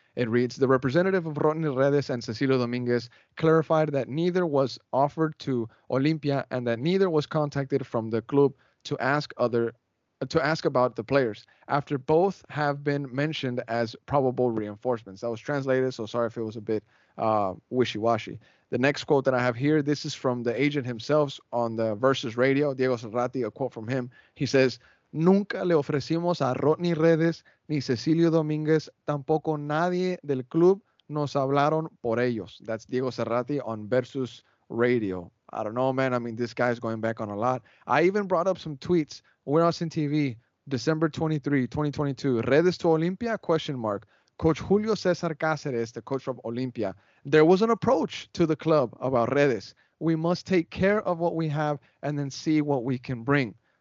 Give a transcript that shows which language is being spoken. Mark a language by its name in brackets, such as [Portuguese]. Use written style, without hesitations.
[English] It reads, the representative of Ronnie Redes and Cecilio Dominguez clarified that neither was offered to Olimpia and that neither was contacted from the club to ask about the players, after both have been mentioned as probable reinforcements. That was translated, so sorry if it was a bit wishy-washy. The next quote that I have here, this is from the agent himself on the Versus Radio, Diego Serrati, a quote from him. He says, [Spanish] nunca le ofrecimos a Rodney Redes ni Cecilio Dominguez, tampoco nadie del club nos hablaron por ellos. [English] That's Diego Serrati on Versus Radio. I don't know, man. I mean, this guy's going back on a lot. I even brought up some tweets. We're Austin TV, December 23, 2022. Redes to Olimpia? Question mark. Coach Julio Cesar Cáceres, the coach of Olimpia. There was an approach to the club about Redes. We must take care of what we have and then see what we can bring.